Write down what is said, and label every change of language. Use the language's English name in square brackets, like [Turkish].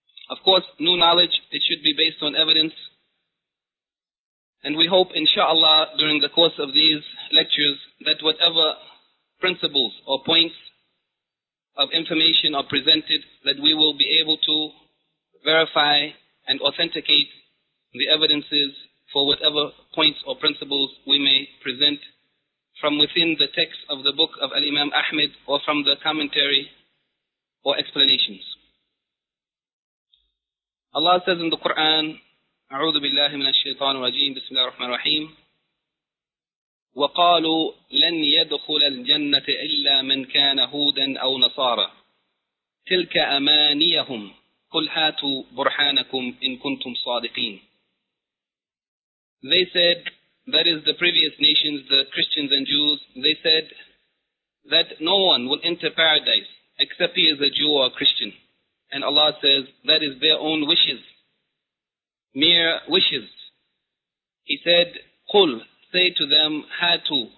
[English] Of course, new knowledge, it should be based on evidence. And we hope, insha'Allah, during the course of these lectures, that whatever principles or points of information are presented, that we will be able to verify and authenticate the evidences for whatever points or principles we may present from within the text of the book of Al-Imam Ahmad or from the commentary or explanations. Allah says in the Quran, [Arabic] أعوذ بالله من الشيطان الرجيم بسم الله الرحمن الرحيم وقالوا لن يدخل الجنة إلا من كان هودا أو نصارى تلك أمانيهم قل هاتوا برهانكم إن كنتم صادقين. [English] They said, that is the previous nations, the Christians and Jews, they said that no one will enter paradise except he is a Jew or a Christian. And Allah says, that is their own wishes, mere wishes. He said, قُلْ, say to them, هَاتُوا,